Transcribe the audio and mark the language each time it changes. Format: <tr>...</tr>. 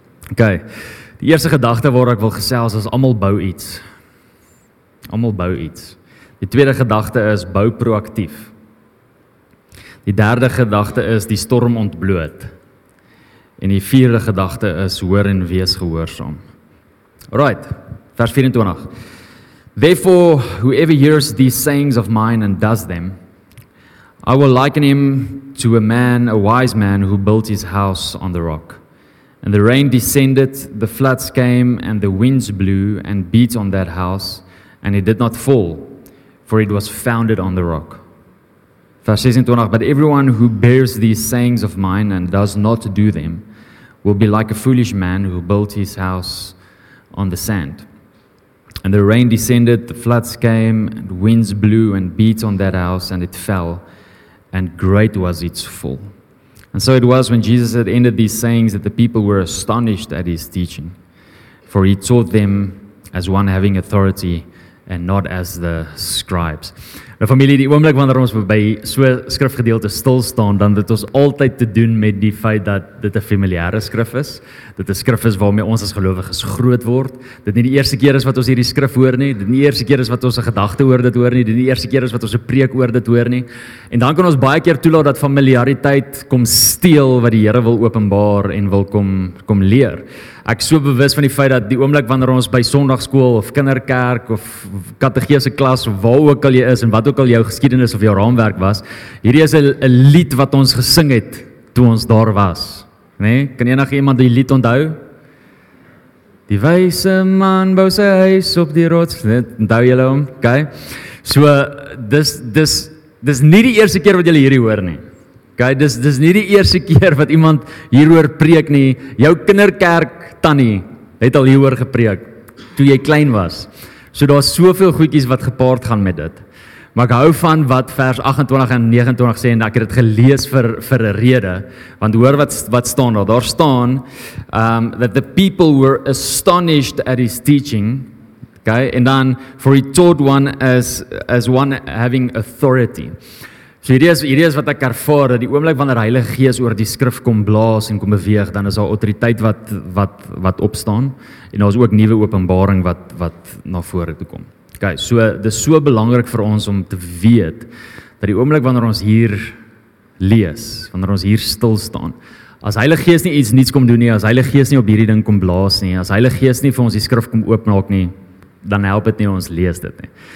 <af>Okay, die eerste gedagte waar ek wil gesels is almal bou iets. Almal bou iets. Die tweede gedagte is bou proaktief. Die derde gedagte is die storm ontbloot. En die vierde gedagte is hoor en wees gehoorsaam.</af> <en>Alright, vers 24. Therefore, whoever hears these sayings of mine and does them, I will liken him to a man, a wise man, who built his house on the rock. And the rain descended, the floods came, and the winds blew and beat on that house, and it did not fall, for it was founded on the rock. Vers 26, but everyone who bears these sayings of mine and does not do them will be like a foolish man who built his house on the sand. And the rain descended, the floods came, and winds blew and beat on that house, and it fell, and great was its fall. And so it was when Jesus had ended these sayings that the people were astonished at his teaching, for he taught them as one having authority and not as the scribes.</en> <af>Nou familie, die oomblik wanneer ons by so skrifgedeelte stil staan, dan het ons altyd te doen met die feit dat dit 'n familiare skrif is. Dit 'n skrif is waarmee ons as gelowiges groot word. Dit nie die eerste keer is wat ons hierdie skrif hoor nie, dit nie die eerste keer is wat ons 'n gedagte oor dit hoor nie, dit nie die eerste keer is wat ons 'n preek oor dit hoor nie. En dan kan ons baie keer toelaat dat familiariteit kom steel wat die Here wil openbaar en wil kom leer. Ek so bewus van die feit dat die oomblik wanneer ons by sonndagskool of kinderkerk of kategese klas of waar ook al jy is en wat ook al jou geskiedenis of jou raamwerk was, hierdie is 'n lied wat ons gesing het toe ons daar was. Nee, kan enige iemand die lied onthou? Die wyse man bou sy huis op die rots, net onthou julle hom, okay? So, dis nie die eerste keer wat julle hierdie hoor nie. Okay, dis nie die eerste keer wat iemand hieroor preek nie. Jou kinderkerk tannie het al hieroor gepreek toe jy klein was. So daar's soveel goedjies wat gepaard gaan met dit. Maar ek hou van wat vers 28 en 29 sê en ek het dit gelees vir 'n rede, want hoor wat staan daar. Daar staan</af> <en>that the people were astonished at his teaching. Okay, and then for he taught one as one having authority.</en> <af>So hierdie is wat ek ervaar, dat die oomblik wanneer die Heilige Gees oor die skrif kom blaas en kom beweeg, dan is daar autoriteit wat opstaan en daar is ook nuwe openbaring wat na vore toe kom. Okay, so dis so belangrik vir ons om te weet dat die oomblik wanneer ons hier lees, wanneer ons hier stil staan, as Heilige Gees nie iets niets kom doen nie, as Heilige Gees nie op hierdie ding kom blaas nie, as Heilige Gees nie vir ons die skrif kom oopmaak nie, dan help dit nie, ons lees dit nie.</af>